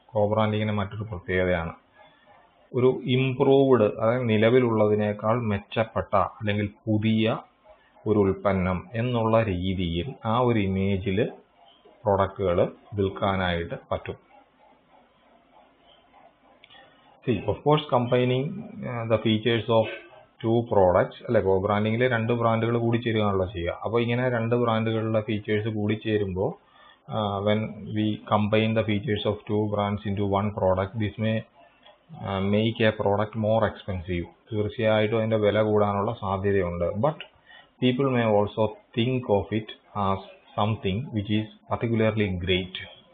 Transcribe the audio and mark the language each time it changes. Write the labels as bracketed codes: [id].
[ml] കോ ബ്രാൻഡിങ്ങിന് മറ്റൊരു പ്രത്യേകതയാണ് ഒരു ഇംപ്രൂവ്ഡ് അതായത് നിലവിലുള്ളതിനേക്കാൾ മെച്ചപ്പെട്ട അല്ലെങ്കിൽ പുതിയ ഒരു ഉൽപ്പന്നം എന്നുള്ള രീതിയിൽ ആ ഒരു ഇമേജിൽ പ്രോഡക്റ്റുകൾ വിൽക്കാനായിട്ട് പറ്റും. [en] See, of course, combining the features of two products, [ml] അല്ലെ കോ ബ്രാൻഡിങ്ങിൽ രണ്ട് ബ്രാൻഡുകൾ കൂടി ചേരുകയാണല്ലോ ചെയ്യുക. അപ്പോൾ ഇങ്ങനെ രണ്ട് ബ്രാൻഡുകളുടെ ഫീച്ചേഴ്സ് കൂടി ചേരുമ്പോൾ [en] When we combine the features of two brands into one product this may make a product more expensive. [ml] തീർച്ചയായിട്ടും അതിൻ്റെ വില കൂടാനുള്ള സാധ്യതയുണ്ട്. [en] But people may also think of it as something which is particularly great.